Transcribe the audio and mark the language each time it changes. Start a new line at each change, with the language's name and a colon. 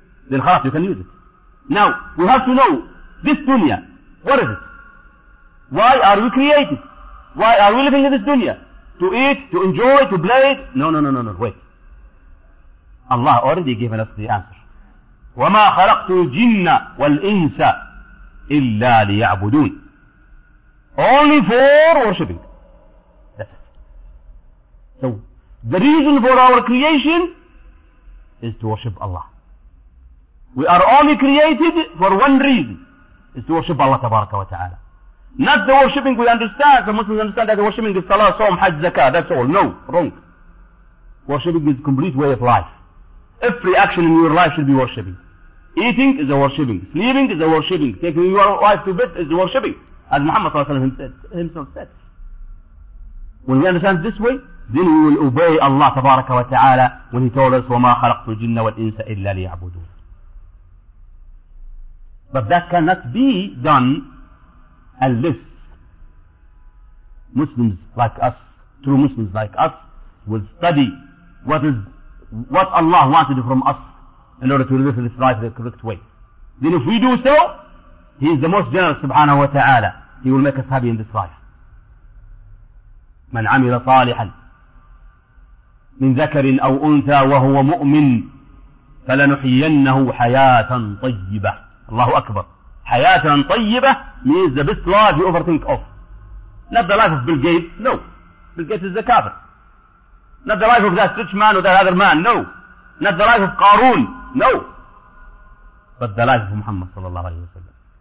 English: Then khalas, you can use it. Now, we have to know this dunya. What is it? Why are we created? Why are we living in this dunya? To eat, to enjoy, to play? No. Wait. Allah already given us the answer.
Arabic: وَمَا خَلَقْتُ الْجِنَّ وَالْإِنسَ إِلَّا لِيَعْبُدُونَ
English: Only for worshipping. That's it. So, the reason for our creation is to worship Allah. We are only created for one reason, is to worship Allah tabaraka wa ta'ala. Not the worshipping we understand, the Muslims understand that the worshipping is salah, sawm, hajj, zakah, that's all. No, wrong. Worshipping is a complete way of life. Every action in your life should be worshipping. Eating is a worshipping. Sleeping is a worshipping. Taking your wife to bed is a worshipping. As Muhammad sallallahu alayhi wa sallam himself said. When we understand this way, then we will obey Allah tabaraka wa ta'ala when he told us,
Arabic: وَمَا خَلَقْتُ الْجِنَّ وَالْإِنسَ إِلَّا لِيَعْبُدُونَ.
English: But that cannot be done unless Muslims like us, true Muslims like us, will study what Allah wanted from us in order to live this life the correct way. Then if we do so, He is the most generous subhanahu wa ta'ala. He will make us happy in this life.
Arabic: من عمل صالحا من ذكر أو أنثى وهو مؤمن فلنحيينه حياة طيبة.
English: Allahu Akbar. Hayatan tayyiba means the best life you ever think of. Not the life of Bill Gates, no. Bill Gates is a kafir. Not the life of that rich man or that other man, no. Not the life of Qarun, no. But the life of Muhammad sallallahu alayhi wa sallam.